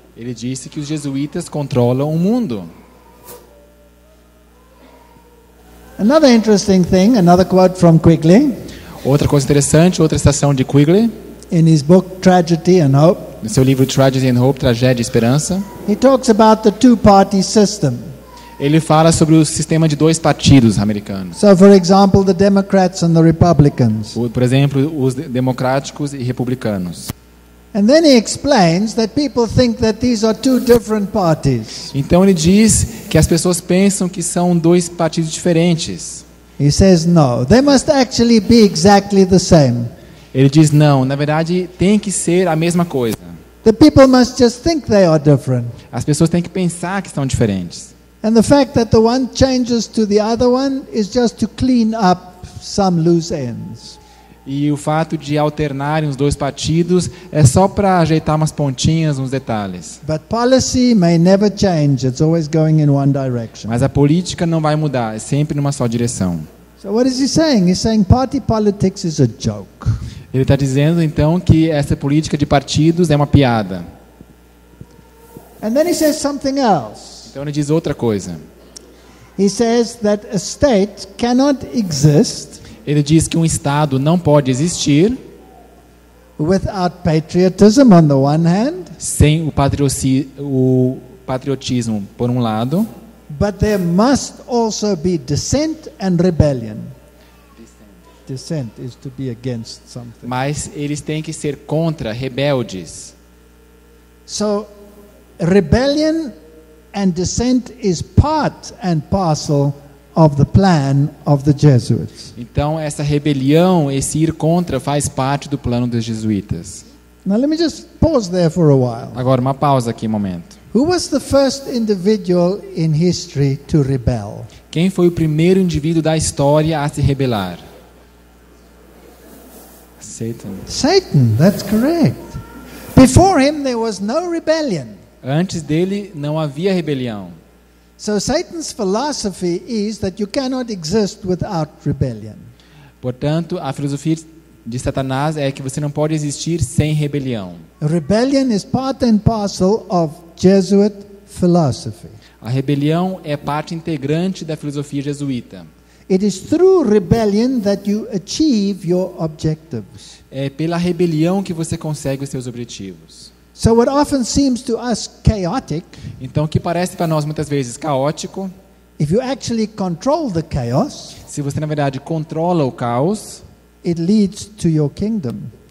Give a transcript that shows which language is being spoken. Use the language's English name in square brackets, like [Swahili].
[Portuguese] Ele disse que os jesuítas controlam o mundo. [English] Another interesting thing, another quote from Quigley. [Portuguese] Outra coisa interessante, outra citação de Quigley. [English] In his book Tragedy and Hope. [Portuguese] No seu livro Tragedy and Hope, Tragédia e Esperança. [English] He talks about the two-party system. [Portuguese] Ele fala sobre o sistema de dois partidos americanos. [English] So, for example, the Democrats and the Republicans. [Portuguese] Por exemplo, os democráticos e republicanos. [English] And then he explains that people think that these are two different parties. [Portuguese] Então ele diz que as pessoas pensam que são dois partidos diferentes. [English] He says no, they must actually be exactly the same. [Portuguese] Ele diz não, na verdade tem que ser a mesma coisa. [English] The people must just think they are different. [Portuguese] As pessoas têm que pensar que são diferentes. [English] And the fact that the one changes to the other one is just to clean up some loose ends. [Portuguese] E o fato de alternarem os dois partidos é só para ajeitar umas pontinhas, uns detalhes. [English] But policy may never change. It's always going in one direction. [Portuguese] Mas a política não vai mudar, é sempre numa só direção. [English] So what is he saying? He's saying party politics is a joke. [Portuguese] Ele está dizendo então que essa política de partidos é uma piada. [English] And then he says something else. [Portuguese] Então ele diz outra coisa. [English] He says that a state cannot exist. [Portuguese] Ele diz que um Estado não pode existir [English] without patriotism on the one hand, [Portuguese] sem o patriotismo por um lado, [English] but there must also be dissent and rebellion. Dissent is to be against something. [Portuguese] Mas eles têm que ser contra rebeldes. [English] So rebellion and dissent is part and parcel of the plan of the Jesuits. [Portuguese] Então essa rebelião, esse ir contra, faz parte do plano dos jesuítas. [English] Now let me just pause there for a while. [Portuguese] Agora uma pausa aqui um momento. [English] Who was the first individual in history to rebel? [Portuguese] Quem foi o primeiro indivíduo da história a se rebelar? [English] Satan. Satan, that's correct. Before him there was no rebellion. [Portuguese] Antes dele não havia rebelião. [English] So Satan's philosophy is that you cannot exist without rebellion. [Portuguese] Portanto, a filosofia de Satanás é que você não pode existir sem rebelião. [English] Rebellion is part and parcel of Jesuit philosophy. [Portuguese] A rebelião é parte integrante da filosofia jesuíta. [English] It is through rebellion that you achieve your objectives. [Portuguese] É pela rebelião que você consegue os seus objetivos. [English] So what often seems to us chaotic, [Portuguese] então o que parece para nós muitas vezes caótico, [English] if you actually control the chaos, [Portuguese] se você na verdade controla o caos, [English] it leads to your kingdom.